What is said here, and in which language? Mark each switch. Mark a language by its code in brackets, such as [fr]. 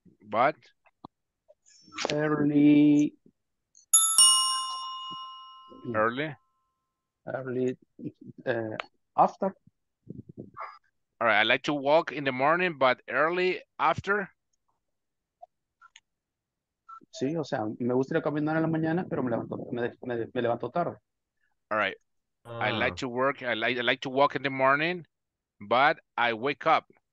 [en] But. Early after. All right. I like to walk in the morning, but early after. [es] Sí, o sea, me gustaría caminar en la mañana, pero me levanto tarde. [en] All right. Ah. I like to walk in the morning, but I wake up.